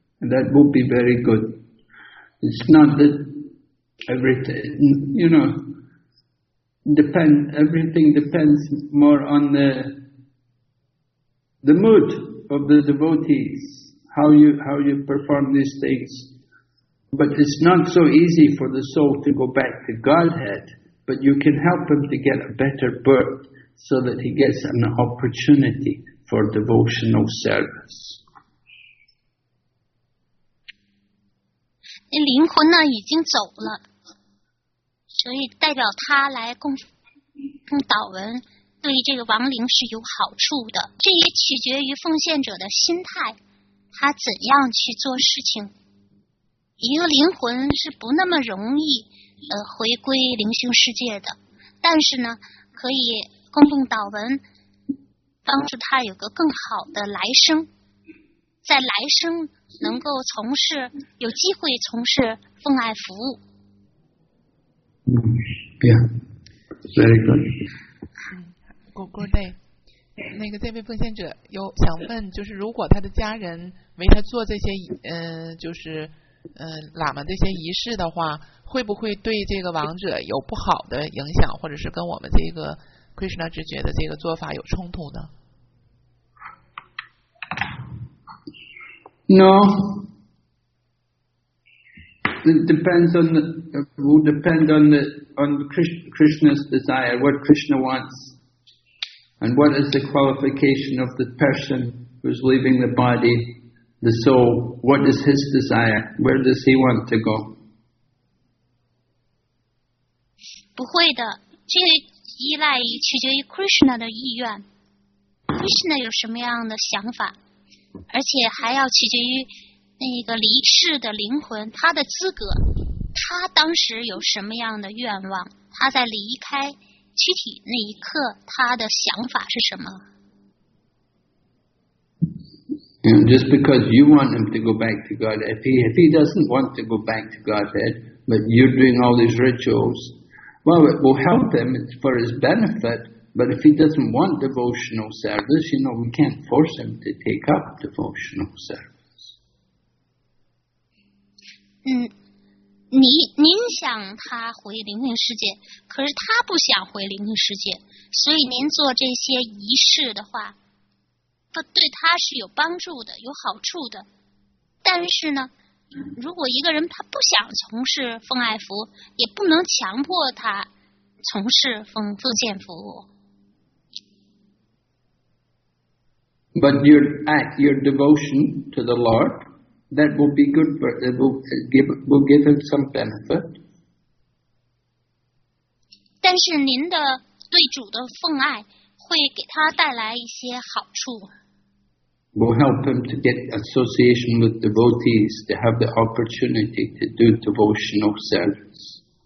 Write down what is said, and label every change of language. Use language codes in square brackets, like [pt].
[en] And that will be very good. It's not that everything, you know, everything depends more on the mood of the devotees, how you perform these things. But it's not so easy for the soul to go back to Godhead, but you can help him to get a better birth so that he gets an opportunity for devotional service. [zh] 灵魂呢已经走了，所以代表他来供祷文对这个亡灵是有好处的，这也取决于奉献者的心态，他怎样去做事情。一个灵魂是不那么容易回归灵性世界的，但是呢可以供奉祷文帮助他有个更好的来生，在来生能够从事有机会从事奉爱服务。 [en] Yeah, very good. Good day. [zh] 那个这位奉献者有想问，就是如果他的家人为他做这些就是喇嘛这些仪式的话，会不会对这个亡者有不好的影响，或者是跟我们这个 Krishna 直觉的这个做法有冲突呢？ [en] No, it depends on Krishna's desire, what Krishna wants, and what is the qualification of the person who's leaving the body. The soul, what is his desire? Where does he want to go? [zh] 不会的，这个依赖取决于 Krishna 的意愿。 Krishna 有什么样的想法，而且还要取决于那个离世的灵魂，他的资格，他当时有什么样的愿望，他在离开躯体那一刻，他的想法是什么。 [en] And just because you want him to go back to Godhead, if he doesn't want to go back to Godhead, but you're doing all these rituals, well, it will help him, it's for his benefit, but if he doesn't want devotional service, you know, we can't force him to take up devotional service. [zh] 您想他回灵性世界，可是他不想回灵性世界，所以您做这些仪式的话对他是有帮助的，有好处的。但是呢，如果一个人他不想从事奉爱服务，也不能强迫他从事奉献服务。 [en] But your act, your devotion to the Lord, that will be good for it. Will give him some benefit. [zh] 但是您的对主的奉爱会给他带来一些好处。 [en] Will help him to get association with devotees, to have the opportunity to do devotional service.